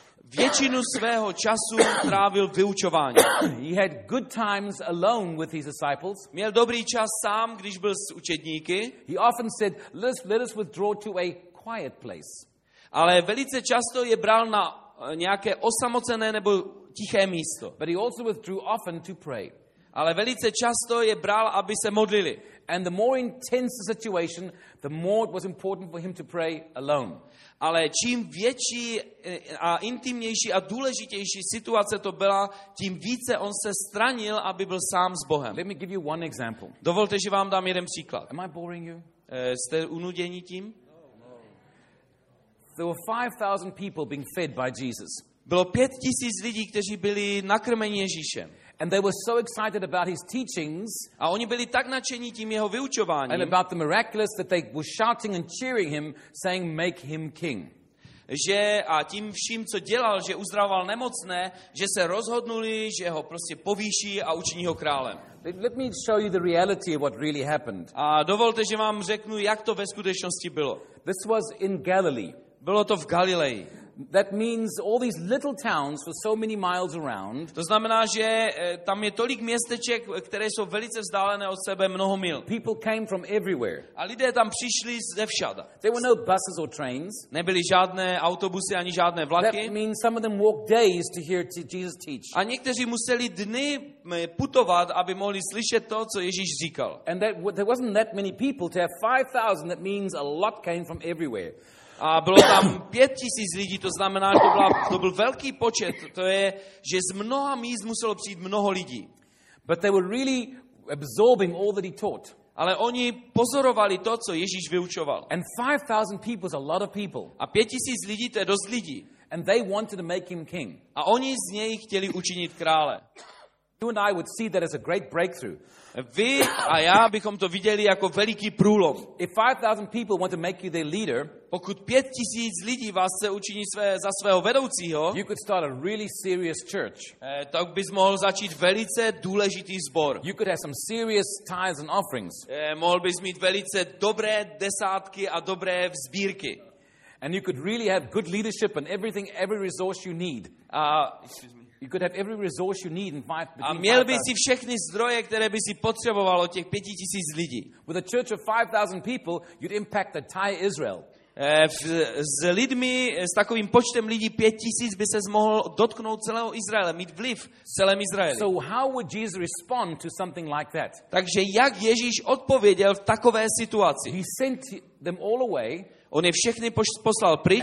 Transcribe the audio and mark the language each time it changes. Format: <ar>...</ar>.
<cs>Většinu svého času trávil vyučování.</cs> <en>He had good times alone with his disciples.</en> <cs>Měl dobrý čas sám, když byl s učedníky.</cs> <en>He often said, let us withdraw to a quiet place.</en> <cs>Ale velice často je bral na nějaké osamocené nebo tiché místo.</cs> <en>But he also withdrew often to pray.</en> <cs>Ale velice často je bral, aby se modlili.</cs> <en>And the more intense the situation, the more it was important for him to pray alone.</en> <cs>Ale čím větší a intimnější a důležitější situace to byla, tím více on se stranil, aby byl sám s Bohem.</cs> <en>Let me give you one example.</en> <cs>Dovolte, že vám dám jeden příklad.</cs> <en>Am I boring you?</en> <cs>Jste unuděni tím?</cs> <en>No. There were 5,000 people being fed by Jesus.</en> <cs>Bylo 5,000 lidí, kteří byli nakrmeni Ježíšem.</cs> <en>And they were so excited about his teachings.</en> <cs>A oni byli tak nadšení tím jeho vyučováním.</cs> <en>And about the miraculous that they were shouting and cheering him, saying, "Make him king."</en> <cs>Že a tím vším, co dělal, že uzdravoval nemocné, že se rozhodnuli, že ho prostě povýší a učiní ho králem.</cs> <en>Let me show you the reality of what really happened.</en> <cs>A dovolte, že vám řeknu, jak to ve skutečnosti bylo.</cs> <en>This was in Galilee.</en> <cs>Bylo to v Galileji.</cs> <en>That means all these little towns for so many miles around.</en> <cs>To znamená, že tam je tolik městeček, které jsou velice vzdálené od sebe mnoho mil.</cs> <en>People came from everywhere.</en> <cs>A lidé tam přišli ze všada.</cs> <en>There were no buses or trains.</en> <cs>Nebyly žádné autobusy ani žádné vlaky.</cs> <en>That means some of them walked days to hear Jesus teach.</en> <cs>A někteří museli dny putovat, aby mohli slyšet to, co Ježíš říkal.</cs> <en>And that there wasn't that many people to have 5,000, that means a lot came from everywhere.</en> <cs>A bylo tam 5,000 lidí, to znamená, že to byl velký počet. To je, že z mnoha míst muselo přijít mnoho lidí.</cs> <en>But they were really absorbing all that he taught.</en> <cs>Ale oni pozorovali to, co Ježíš vyučoval.</cs> <en>And 5,000 people is a lot of people.</en> <cs>A 5,000 lidí, to je dost lidí.</cs> <en>And they wanted to make him king.</en> <cs>A oni z něj chtěli učinit krále.</cs> <en>You and I would see that as a great breakthrough.</en> <cs>Vy a já bychom to viděli jako veliký průlom.</cs> <en>If 5,000 people want to make you their leader,</en> <cs>pokud 5,000 lidí vás chce učinit za svého vedoucího,</cs> <en>you could start a really serious church.</en> <cs>Tak bys mohl začít velice důležitý sbor.</cs> <en>You could have some serious tithes and offerings.</en> <cs>Mohl bys mít velice dobré desátky a dobré sbírky.</cs> <en>And you could really have good leadership and everything, every resource you need. You could have every resource you need in five.</en> <cs>A měl by si všechny zdroje, které by si potřeboval od těch 5,000 lidí.</cs> <en>With a church of 5,000 people, you'd impact the entire Israel.</en> <cs>S lidmi, s takovým počtem lidí 5,000 by se mohl dotknout celého Izraele, mít vliv celém Izraeli.</cs> <en>So how would Jesus respond to something like that?</en> <cs>Takže jak Ježíš odpověděl v takové situaci?</cs> <en>He sent them all away.</en> <cs>On je všechny poslal pryč.</cs>